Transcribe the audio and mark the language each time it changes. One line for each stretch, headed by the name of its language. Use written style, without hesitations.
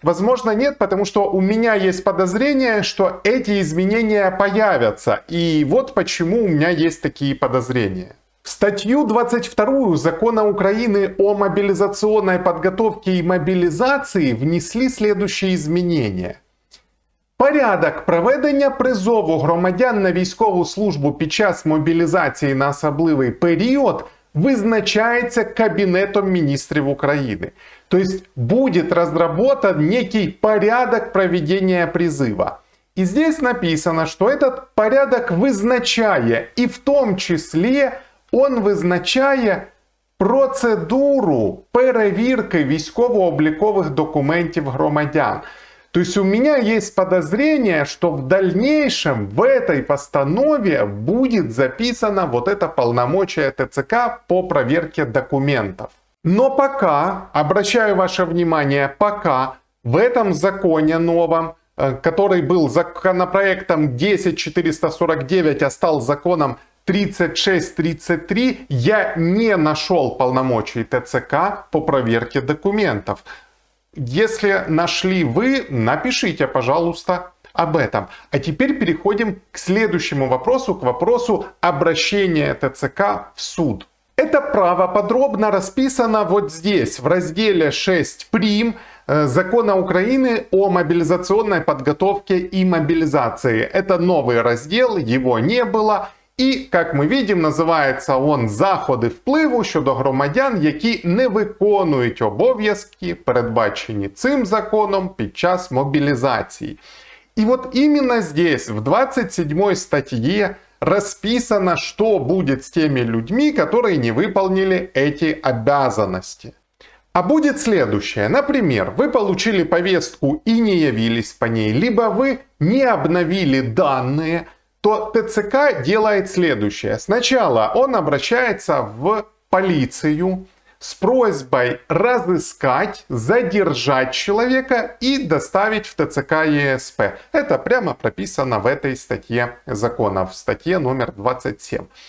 Russian: Возможно нет, потому что у меня есть подозрение, что эти изменения появятся. И вот почему у меня есть такие подозрения. Статью 22 Закона Украины о мобилизационной подготовке и мобилизации внесли следующие изменения.
Ukrainian: Порядок проведення призову громадян на військову службу під час мобілізації на особливий період визначається Кабінетом міністрів України. Тобто буде розроблений некий порядок проведення призову. І тут написано, що цей порядок визначає, і в тому числі він визначає процедуру перевірки військово-облікових документів громадян.
Russian: То есть у меня есть подозрение, что в дальнейшем в этой постанове будет записано вот это полномочие ТЦК по проверке документов. Но пока, обращаю ваше внимание, пока в этом законе новом, который был законопроектом 10449, а стал законом 3633, я не нашел полномочий ТЦК по проверке документов. Если нашли вы, напишите, пожалуйста, об этом. А теперь переходим к следующему вопросу, к вопросу обращения ТЦК в суд. Это право подробно расписано вот здесь, в разделе 6 прим Закона Украины о мобилизационной подготовке и мобилизации. Это новый раздел, его не было.
Ukrainian: І, як ми бачимо, називається він «Заходи впливу щодо громадян, які не виконують обов'язки, передбачені цим законом під час мобілізації». І от іменно здесь, в 27 статті, розписано, що буде з тими людьми, які не виконали ці обов'язки. А буде наступне. Наприклад, ви отримали повістку і не явились по ній, або ви не обновили дані, то ТЦК
Russian: делает следующее. Сначала он обращается в полицию с просьбой разыскать, задержать человека и доставить в ТЦК ЕСП. Это прямо прописано в этой статье закона, в статье номер 27.